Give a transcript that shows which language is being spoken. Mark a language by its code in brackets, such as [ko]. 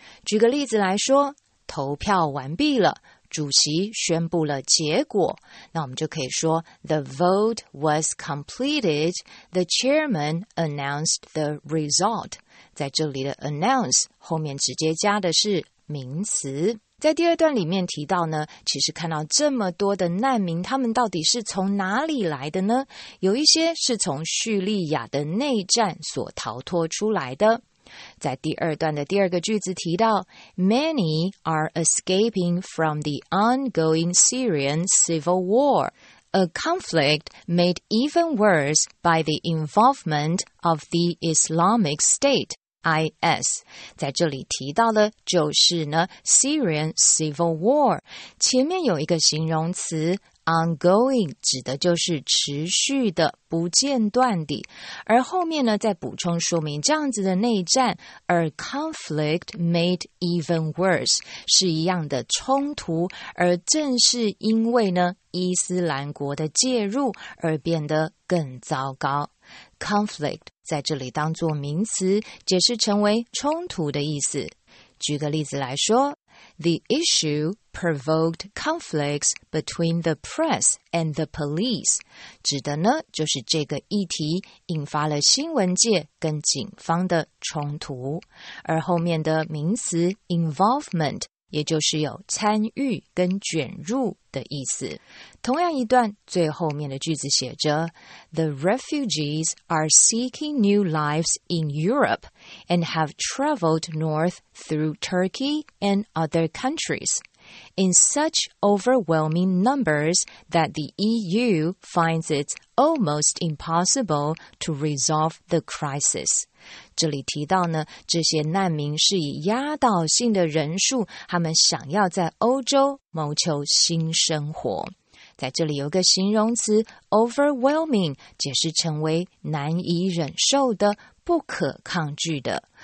[zh] 举个例子来说，投票完毕了，主席宣布了结果，那我们就可以说 [en] the vote was completed, the chairman announced the result。 [zh] 在这里的 announce 后面直接加的是名词。在第二段里面提到呢，其实看到这么多的难民，他们到底是从哪里来的呢？有一些是从叙利亚的内战所逃脱出来的。在第二段的第二个句子提到 [en] Many are escaping from the ongoing Syrian civil war, a conflict made even worse by the involvement of the Islamic State, IS. [zh] 在这里提到的就是呢 [en] Syrian civil war. [zh] 前面有一个形容词Ongoing 指的就是持续的、不间断的，而后面呢，再补充说明这样子的内战 ， [en] a conflict made even worse [zh] 是一样的冲突，而正是因为呢，伊斯兰国的介入而变得更糟糕。 Conflict 在这里当作名词，解释成为冲突的意思。举个例子来说。 [en] The issue provoked conflicts between the press and the police. [zh] 指的呢，就是这个议题引发了新闻界跟警方的冲突。而后面的名词 involvement 也就是有参与跟卷入的意思。同样一段，最后面的句子写着 [en] The refugees are seeking new lives in Europe and have traveled north through Turkey and other countries in such overwhelming numbers that the EU finds it almost impossible to resolve the crisis. [zh] 这里提到呢，这些难民是以压倒性的人数，他们想要在欧洲谋求新生活。在这里有个形容词 overwhelming， 解释成为难以忍受的、不可抗拒的。